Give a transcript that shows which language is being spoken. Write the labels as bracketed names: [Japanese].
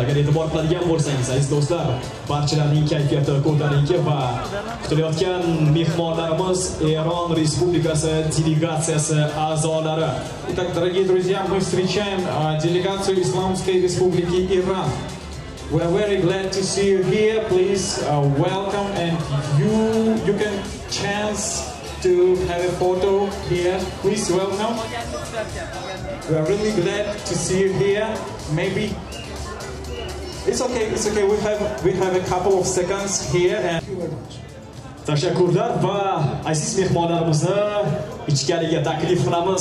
[Uzbek] Agar e'tibor qiladigan bo'lsangiz, aziz do'stlar, barchalarning kayfiyati ko'tarinki va kutilayotgan mehmonlarimiz Eron Respublikasi delegatsiyasi a'zolari. [Russian] Итак, дорогие друзья, мы встречаем делегацию Исламской Республики Иран. [English] We are very glad to see you here. Please welcome and you can chance to have a photo here. Please welcome. We are really glad to see you here. Maybe it's okay. We have a couple of seconds here and [Uzbek] tashakkurlar va aziz mehmonlarimizni ichkariga taklif qilamiz.